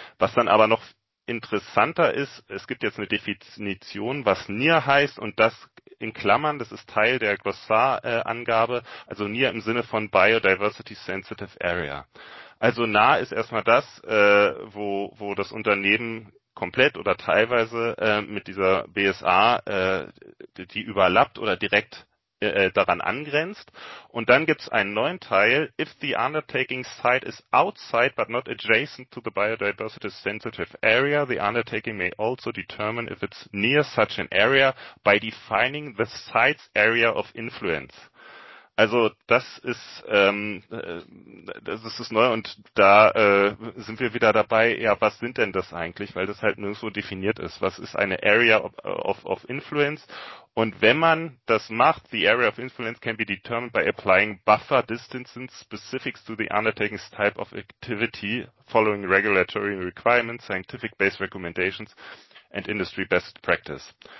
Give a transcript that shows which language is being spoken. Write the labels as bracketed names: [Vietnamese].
[German] Was dann aber noch interessanter ist, es gibt jetzt eine Definition, was NIR heißt und das in Klammern, das ist Teil der Glossar-Angabe, also NIR im Sinne von Biodiversity Sensitive Area. Also nah ist erstmal das, wo das Unternehmen komplett oder teilweise mit dieser BSA, die überlappt oder direkt daran angrenzt. Und dann gibt es einen neuen Teil, [English] if the undertaking site is outside but not adjacent to the biodiversity sensitive area, the undertaking may also determine if it's near such an area by defining the site's area of influence. [German] Also das ist neu und da sind wir wieder dabei, ja, was sind denn das eigentlich, weil das halt nirgendwo definiert ist. Was ist eine Area of Influence? Und wenn man das macht, [English] the Area of Influence can be determined by applying buffer distances specific to the undertaking's type of activity following regulatory requirements, scientific-based recommendations and industry best practice.